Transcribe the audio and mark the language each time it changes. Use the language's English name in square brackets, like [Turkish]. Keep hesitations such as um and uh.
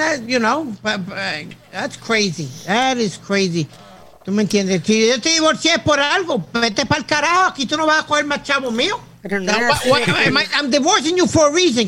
[English] I, you know, but, but, uh, that's crazy. That is crazy. [Spanish] ¿Tú me entiendes? Si yo te divorcié por algo, vete para el carajo. Aquí tú no vas a coger más chavo mío. [English] I don't know no, what, what, I, I, I'm divorcing you for a reason.